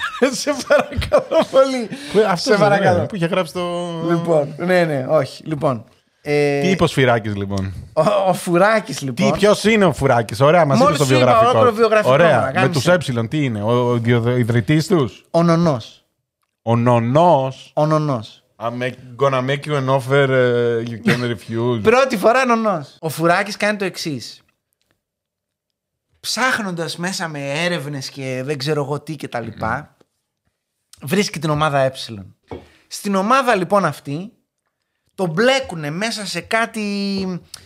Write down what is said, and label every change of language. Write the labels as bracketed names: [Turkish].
[Greek] Σε παρακαλώ πολύ. Αυτό είναι που είχε γράψει το... Λοιπόν, ναι, ναι, όχι. Λοιπόν. Τι είπε ο Φυράκης λοιπόν. Ο Φουράκης λοιπόν. Ποιος είναι ο Φουράκης, ωραία, μας είπε το βιογραφικό. Μόλις είπα βιογραφικό. Ωραία, με τους έψιλον, τι είναι, ο ιδρυτής τους. Ο Νονός. Ο Νονός. Ο Νονός. [English] I'm gonna make you an offer you can refuse. [Greek] Πρώτη φορά Νονός. Ο Φουράκης κάνει το εξής. Ψάχνοντας μέσα με έρευνες και δεν ξέρω εγώ τι και τα λοιπά, βρίσκει την ομάδα έψιλον. Στην ομάδα λοιπόν αυτή, το μπλέκουνε μέσα σε κάτι